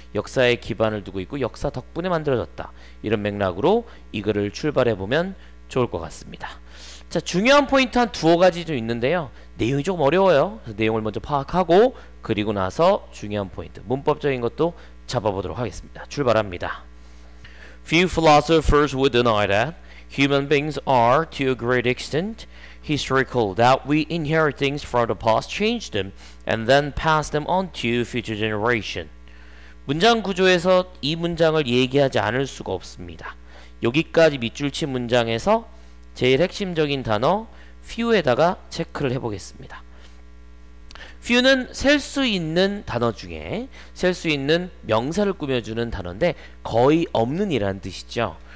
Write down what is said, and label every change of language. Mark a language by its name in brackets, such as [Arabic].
[Korean] 역사에 기반을 두고 있고 역사 덕분에 만들어졌다. 이런 맥락으로 이 글을 출발해보면 좋을 것 같습니다. 자, 중요한 포인트 한 두어 가지 좀 있는데요. 내용이 조금 어려워요. 그래서 내용을 먼저 파악하고 그리고 나서 중요한 포인트, 문법적인 것도 잡아보도록 하겠습니다. 출발합니다. [English] Few philosophers would deny that human beings are, to a great extent, historical, that we inherit things from the past, change them, and then pass them on to future generation. [Korean] 문장 구조에서 이 문장을 얘기하지 않을 수가 없습니다. 여기까지 밑줄 친 문장에서 제일 핵심적인 단어 few에다가 체크를 해보겠습니다. few는 셀 수 있는 단어 중에 셀 수 있는 명사를 꾸며주는 단어인데 거의 없는 이란 뜻이죠.